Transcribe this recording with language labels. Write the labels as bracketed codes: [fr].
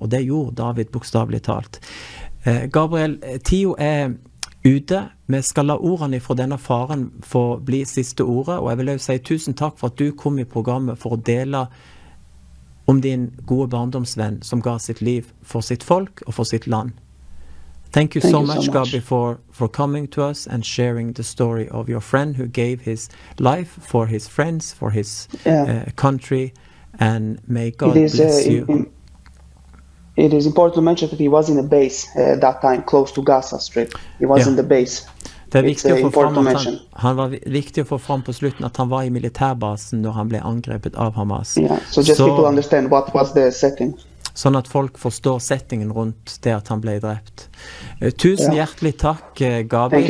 [no] Og det gjorde David bokstavlig talt. Gabriel, Tio ute. Vi skal la ordene fra denne faren få bli siste ordet. Og jeg vil også si tusen takk for at du kom I programmet for å dele om din gode barndomsvenn som ga sitt liv for sitt folk og for sitt land. [en] Thank you so much, Gabi, for coming to us and sharing the story of your friend who gave his life for his friends, for his country, and may God bless you. It is important to mention that he was in a base that time, close to Gaza Strip. He was in the base. [no] Det viktig å få fram at han var viktig å få fram på slutten at han var I militærbasen når han ble angrepet av Hamas. [en] Yeah. So just people understand what was the setting. [no] Sånn at folk forstår settingen rundt det at han ble drept. Tusen hjertelig takk, Gabi.